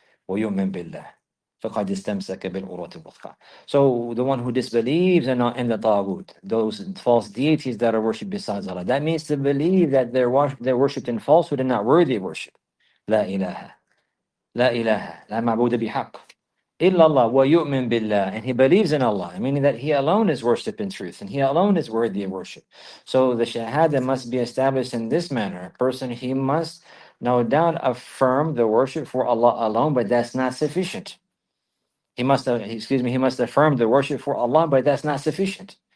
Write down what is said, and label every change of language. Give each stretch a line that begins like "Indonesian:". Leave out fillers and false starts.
Arabic: ويؤمن بالله فقد استمسك بالعروة الوثقى.
English: So the one who disbelieves and not in the ta'ud, those false deities that are worshipped besides Allah, that means to believe that they're worshipped in falsehood and not worthy of worship.
Arabic: لا إله لا إله لا معبود بحق إلا الله ويؤمن بالله.
English: And he believes in Allah, meaning that he alone is worshipped in truth and he alone is worthy of worship. So the shahada must be established in this manner. A person, he must no doubt affirm the worship for Allah alone, but that's not sufficient. He must affirm the worship for Allah, but that's not sufficient.